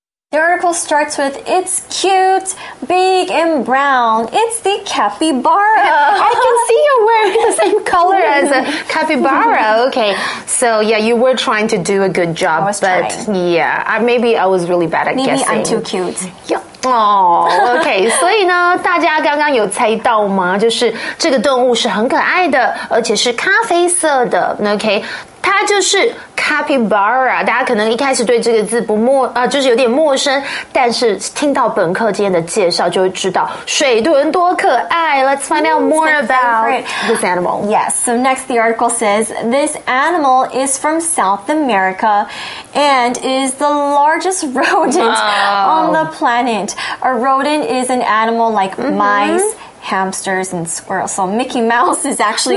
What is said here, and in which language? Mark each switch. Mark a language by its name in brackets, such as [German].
[English] The article starts with, it's cute, big, and brown. It's the capybara. I can see you're wearing the same color as a capybara. Okay. So, yeah, you were trying to do a good job. I was trying. Yeah, maybe I was really bad at guessing. Maybe I'm too cute. Yep. [Chinese] 哦 ，OK， 所以呢，大家刚刚有猜到吗？就是这个动物是很可爱的，而且是咖啡色的 ，OK。它就是 capybara， 大家可能一开始对这个字不陌就是有点陌生，但是听到本课今天的介绍就会知道水豚多可爱。 [English] Let's find out more about this animal. Yes, so next the article says this animal is from South America and is the largest rodent on the planet. A rodent is an animal like mice. Hamsters and squirrels. So Mickey Mouse is actually